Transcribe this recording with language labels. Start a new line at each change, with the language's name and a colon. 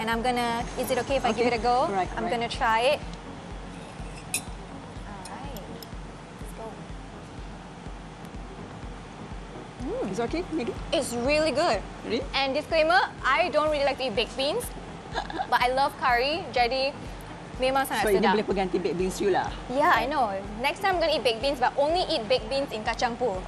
English: And I'm gonna, is it okay if I give it a go? Right, I'm gonna try it. Alright, let's go. Is it okay, Megan? It's really good. Really? And disclaimer, I don't really like to eat baked beans, but I love curry.
Malay: Jadi memang sangat sedap. So, ini boleh pengganti baked beans you lah.
English: Yeah, I know. Next time, I'm going to eat baked beans, but only eat baked beans in kacang pool.